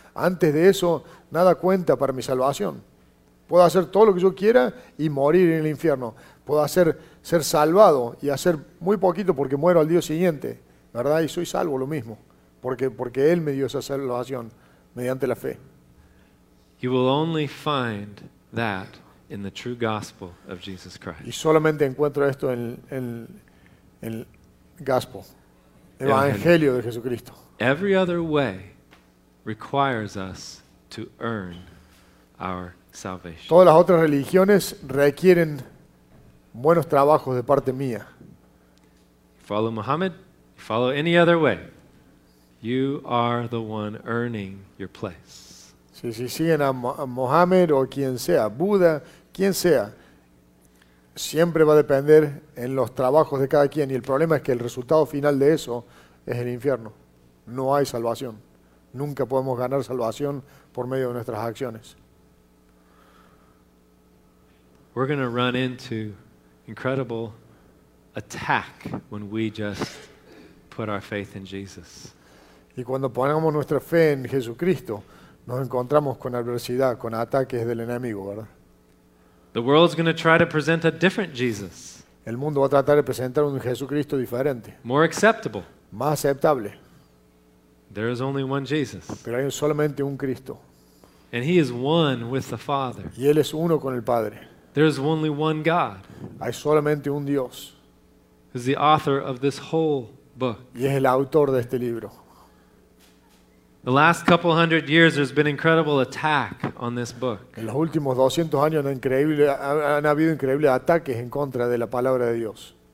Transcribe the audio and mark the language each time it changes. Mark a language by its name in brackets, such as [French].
[Spanish] Antes de eso, nada cuenta para mi salvación. Puedo hacer todo lo que yo quiera y morir en el infierno. Puedo hacer ser salvado y hacer muy poquito porque muero al día siguiente, ¿verdad? Y soy salvo lo mismo, porque Él me dio esa salvación mediante la fe. [English] You will only find that in the true gospel of Jesus Christ. [Spanish] Y solamente encuentro esto en el gospel, evangelio de Jesucristo. [English] Every other way requires us to earn our salvation. [Spanish] Todas las otras religiones requieren buenos trabajos de parte mía. [English] Follow Muhammad, follow any other way, you are the one earning your place. [Spanish] Si siguen a Mohammed o quien sea, Buda, quien sea, siempre va a depender en los trabajos de cada quien. Y el problema es que el resultado final de eso es el infierno. No hay salvación. Nunca podemos ganar salvación por medio de nuestras acciones. [English] We're going to run into incredible attack when we just put our faith in Jesus. [Spanish] Y cuando ponemos nuestra fe en Jesucristo, nos encontramos con adversidad, con ataques del enemigo, ¿verdad? [English] The world's going to try to present a different Jesus. [Spanish] El mundo va a tratar de presentar un Jesucristo diferente. [English] More acceptable. [Spanish] Más aceptable. [English] There is only one Jesus. [Spanish] Pero hay solamente un Cristo. [English] And he is one with the Father. [Spanish] Y él es uno con el Padre. [English] There is only one God. [Spanish] Hay solamente un Dios. [English] He's the author of this whole book. [Spanish] Y es el autor de este libro. [English] The last couple hundred years, there's been incredible attack on this book. [Spanish] En los últimos 200 años han habido increíbles ataques en contra de la palabra de Dios.